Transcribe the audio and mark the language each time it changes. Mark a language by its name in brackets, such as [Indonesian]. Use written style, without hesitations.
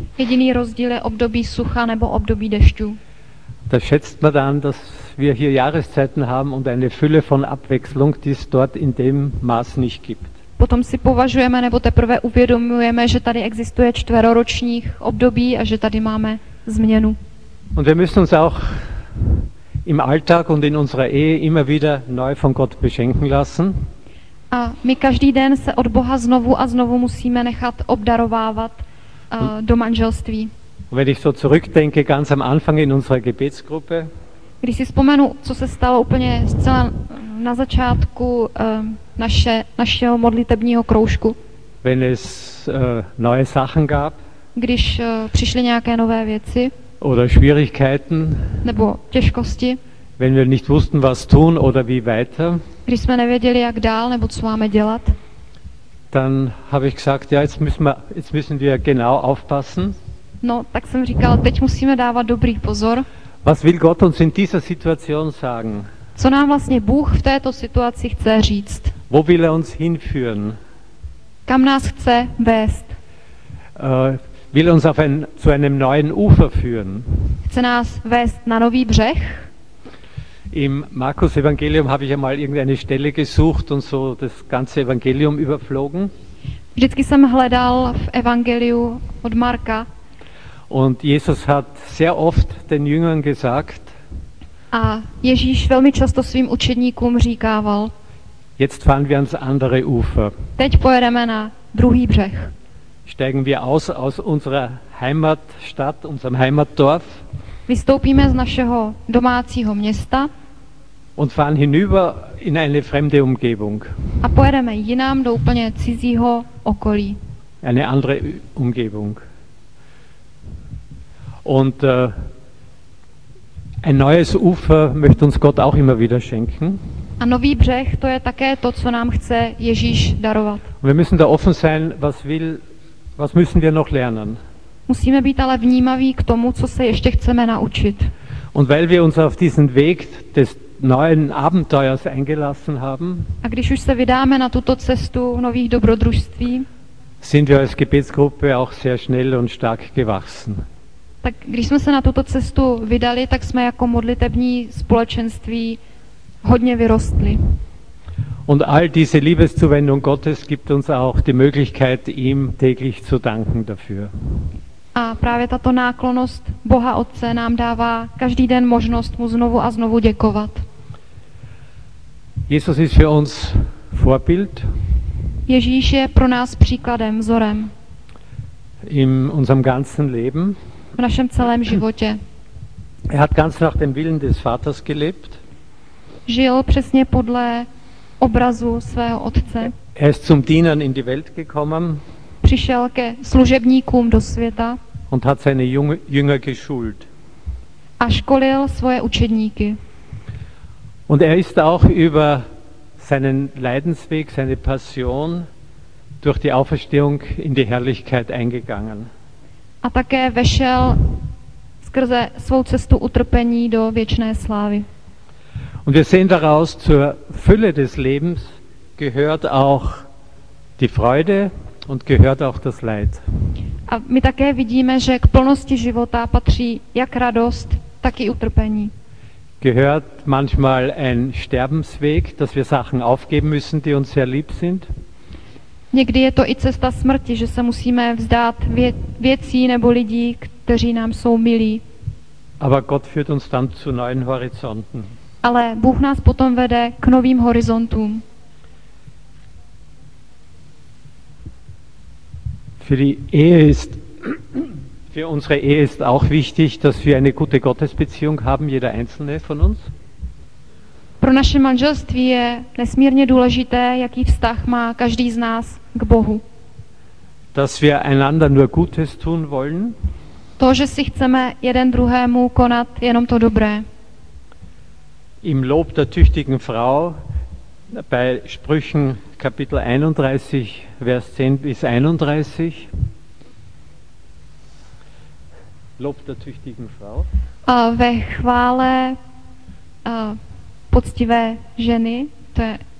[Czech] Jediný rozdíl je období sucha nebo období dešťů. [German] Da schätzt man dann, dass wir hier Jahreszeiten haben und eine Fülle von Abwechslung, die es dort in dem Maß nicht gibt. [Czech] Potom si považujeme nebo teprve uvědomujeme, že tady existuje čtveroročních období a že tady máme změnu. [German] Und wir müssen uns auch im Alltag und in unserer Ehe immer wieder neu von Gott beschenken lassen. [Czech] A my každý den se od Boha znovu a znovu musíme nechat obdarovávat do manželství. [German] Und wenn ich so zurückdenke, ganz am Anfang in unserer Gebetsgruppe. [Czech] Když si vzpomenu, co se stalo úplně zcela na začátku našeho modlitebního kroužku. [German] Wenn es neue Sachen gab. [Czech] Když přišly nějaké nové věci. [German] Oder Schwierigkeiten. [Czech] Nebo těžkosti. [German] Wenn wir nicht wussten, was tun oder wie weiter. [Czech] Když jsme nevěděli, jak dál, nebo co máme dělat. [German] Dann habe ich gesagt, ja, jetzt müssen wir genau aufpassen. [Czech] No, tak jsem říkal, teď musíme dávat dobrý pozor. [German] Was will Gott uns in dieser Situation sagen? [Czech] Co nám vlastně Bůh v této situaci chce říct? [German] Wo will er uns hinführen? [Czech] Kam nás chce vést? [German] Will uns auf zu einem neuen Ufer führen? [Czech] Chce nás vést na nový břeh? [German] Im Markus Evangelium habe ich einmal irgendeine Stelle gesucht und so das ganze Evangelium überflogen. [Czech] Vždycky jsem hledal v Evangeliu od Marka. [German] Und Jesus hat sehr oft den Jüngern gesagt. [Czech] A Ježíš velmi často svým učedníkům říkával. [German] Jetzt fahren wir ans andere Ufer. [Czech] Teď pojedeme na druhý břeh. [German] Steigen wir aus unserer Heimatstadt, unserem Heimatdorf. [Czech] Vystoupíme z našeho domácího města. [German] Und fahren hinüber in eine fremde Umgebung. [Czech] A pojedeme jinam do úplně cizího okolí. [German] Eine andere Umgebung. Und ein neues Ufer möchte uns Gott auch immer wieder schenken. [Czech] A nový břeh, to je také to, co nám chce Ježíš darovat. [German] Und wir müssen da offen sein, was müssen wir noch lernen. [Czech] Musíme být ale vnímaví k tomu, co se ještě chceme naučit. [German] Und weil wir uns auf diesen Weg des neuen Abenteuers eingelassen haben, [Czech] a když už se vydáme na tuto cestu nových dobrodružství, [German] sind wir als Gebetsgruppe auch sehr schnell und stark gewachsen. [Czech] Tak když jsme se na tuto cestu vydali, tak jsme jako modlitební společenství hodně vyrostli. [German] Und all diese Liebeszuwendung Gottes gibt uns auch die Möglichkeit, ihm täglich zu danken dafür. [Czech] A právě tato náklonnost Boha Otce nám dává každý den možnost mu znovu a znovu děkovat. [German] Jesus ist für uns Vorbild. [Czech] Ježíš je pro nás příkladem, vzorem. [German] In unserem ganzen Leben. [Czech] V našem celém životě. [German] Er hat ganz nach dem Willen des Vaters gelebt. [Czech] Žil přesně podle obrazu svého Otce. [German] Er ist zum Dienern in die Welt gekommen. [Czech] Přišel ke služebníkům do světa. [German] Und hat seine Jünger geschult. [Czech] A školil svoje učedníky. [German] Und er ist auch über seinen Leidensweg, seine Passion durch die Auferstehung in die Herrlichkeit eingegangen. [Czech] A také vešel skrze svou cestu utrpení do věčné slávy. [German] Und wir sehen daraus, zur Fülle des Lebens gehört auch die Freude und gehört auch das Leid. [Czech] A my také vidíme, že k plnosti života patří jak radost, tak i utrpení. [German] Gehört manchmal ein Sterbensweg, dass wir Sachen aufgeben müssen, die uns sehr lieb sind. [Czech] Někdy je to i cesta smrti, že se musíme vzdát věcí nebo lidí, kteří nám jsou milí. [German] Aber Gott führt uns dann zu neuen Horizonten. [Czech] Ale Bůh nás potom vede k novým horizontům. [German] Für unsere Ehe ist auch wichtig, dass wir eine gute Gottesbeziehung haben, jeder einzelne von uns. [Czech] Pro naše manželství je nesmírně důležité, jaký vztah má každý z nás k Bohu. [German] Dass wir einander nur Gutes tun wollen. [Czech] To, že si chceme jeden druhému konat jenom to dobré. [German] Im Lob der tüchtigen Frau bei Sprüchen Kapitel 31, Vers 10 bis 31. Lob der tüchtigen Frau. [Czech] Ve chvále poctivé ženy, to je